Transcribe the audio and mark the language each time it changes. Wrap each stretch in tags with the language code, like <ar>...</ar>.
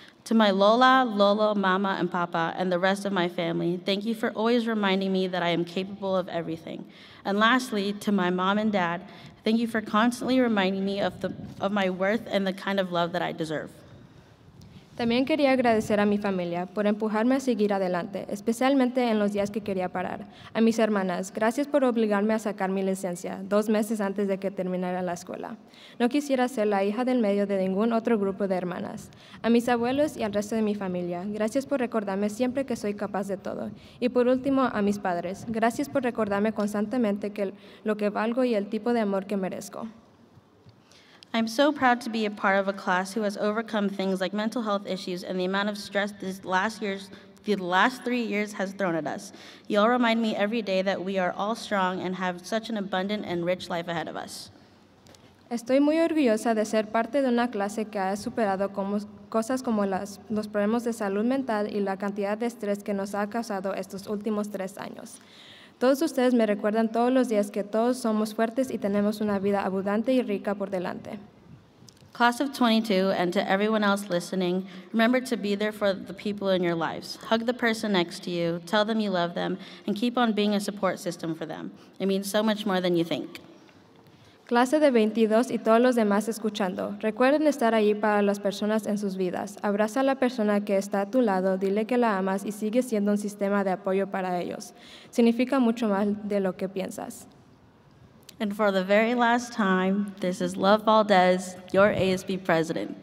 <en>To my Lola, Lolo, Mama, and Papa, and the rest of my family, thank you for always reminding me that I am capable of everything. And lastly, to my mom and dad, thank you for constantly reminding me of my worth and the kind of love that I deserve.</en> <es>También quería agradecer a mi familia por empujarme a seguir adelante, especialmente en los días que quería parar. A mis hermanas, gracias por obligarme a sacar mi licencia 2 meses antes de que terminara la escuela. No quisiera ser la hija del medio de ningún otro grupo de hermanas. A mis abuelos y al resto de mi familia, gracias por recordarme siempre que soy capaz de todo. Y por último, a mis padres, gracias por recordarme constantemente que lo que valgo y el tipo de amor que merezco.</es> <en>I'm so proud to be a part of a class who has overcome things like mental health issues and the amount of stress the last three years has thrown at us. You all remind me every day that we are all strong and have such an abundant and rich life ahead of us.</en> <es>Estoy muy orgullosa de ser parte de una clase que ha superado cosas como los problemas de salud mental y la cantidad de estrés que nos ha causado estos últimos 3 años. Todos ustedes me recuerdan todos los días que todos somos fuertes y tenemos una vida abundante y rica por delante.</es> <en>Class of 22, and to everyone else listening, remember to be there for the people in your lives. Hug the person next to you, tell them you love them, and keep on being a support system for them. It means so much more than you think.</en> <es>Clase de 22 y todos los demás escuchando, recuerden estar allí para las personas en sus vidas. Abraza a la persona que está a tu lado, dile que la amas y sigue siendo un sistema de apoyo para ellos. Significa mucho más de lo que piensas.</es> <en>And for the very last time, this is Love Valdez, your ASB president.</en>